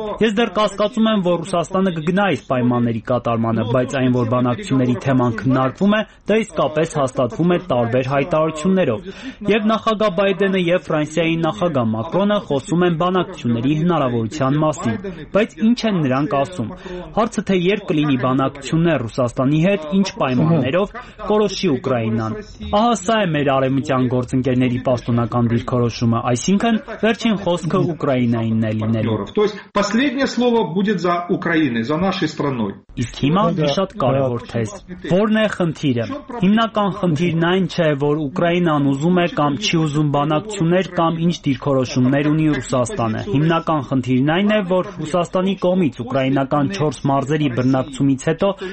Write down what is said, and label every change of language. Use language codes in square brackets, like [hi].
[hy] Ես դեռ կասկածում եմ, որ Ռուսաստանը կգնա այս պայմանների կատարմանը, բայց այն, որ բանակցությունների թեման քննարկվում է, դա իսկապես հաստատվում է տարբեր հայտարարություններով։ Եվ նախագահ Բայդենը եւ Ֆրանսիայի նախագահ Մակրոնը խոսում են բանակցությունների հնարավորության մասին, բայց ինչ են նրանք ասում։ Հարցը թե երբ կլինի բանակցություններ Ռուսաստանի հետ, ինչ պայմաններով, կորոշի Ուկրաինան։ Ահա սա է մեր արևմտյան գործընկերների պաշտոնական դիրքորոշումը, այսինքն վերջին խոսքը Ուկրաինայինն է լինելու։ [ru] То есть последнее слово будет за Украиной, за нашей страной։ [hy] Իսկ հիմա շատ կարևոր թեզ։ Որն է խնդիրը։ Հիմնական խնդիրն այն չէ, որ Ուկրաինան ուզում է կամ չի ուզում բանակցություններ կամ ինչ դիրքորոշումներ ունի Ռուսաստանը։ Հիմնական խնդիրն այն է, որ Ռուսաստանի կողմից Ուկրաինական 4 մարզերի բռնակցումից հետո